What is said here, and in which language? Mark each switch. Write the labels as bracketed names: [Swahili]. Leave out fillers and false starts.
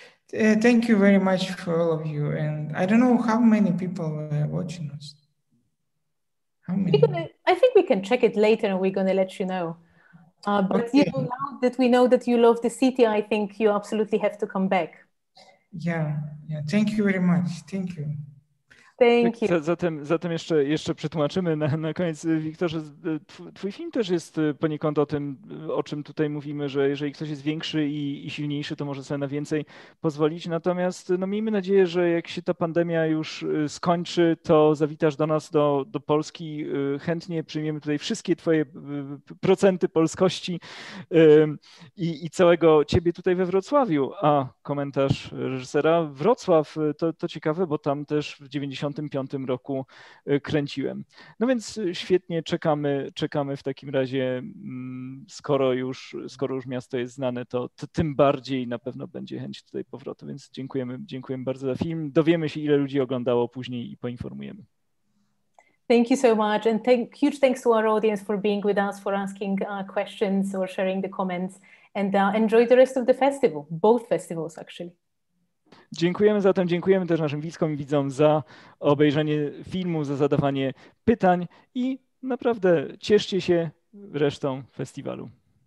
[English] Thank you very much for all of you. And I don't know how many people were watching us. How many? I think we can check it later and we're going to let you know. You know, now that we know that you love the city, I think you absolutely have to come back. Yeah. Thank you very much. Thank you. Thank you. [Polish] Zatem jeszcze przetłumaczymy na koniec, Wiktorze. Twój film też jest poniekąd o tym, o czym tutaj mówimy, że jeżeli ktoś jest większy i silniejszy, to może sobie na więcej pozwolić. Natomiast no, miejmy nadzieję, że jak się ta pandemia już skończy, to zawitasz do nas, do Polski. Chętnie przyjmiemy tutaj wszystkie twoje procenty polskości i całego ciebie tutaj we Wrocławiu. A komentarz reżysera, Wrocław, to ciekawe, bo tam też w 1995 roku kręciłem. No więc świetnie, czekamy w takim razie, skoro już miasto jest znane, to tym bardziej na pewno będzie chęć tutaj powrotu, więc dziękujemy bardzo za film. Dowiemy się, ile ludzi oglądało później i poinformujemy. [English] Thank you so much and huge thanks to our audience for being with us, for asking questions or sharing the comments and enjoy the rest of the festival, both festivals actually. [Polish] Dziękujemy zatem, dziękujemy też naszym widzom i widzom za obejrzenie filmu, za zadawanie pytań i naprawdę cieszcie się resztą festiwalu.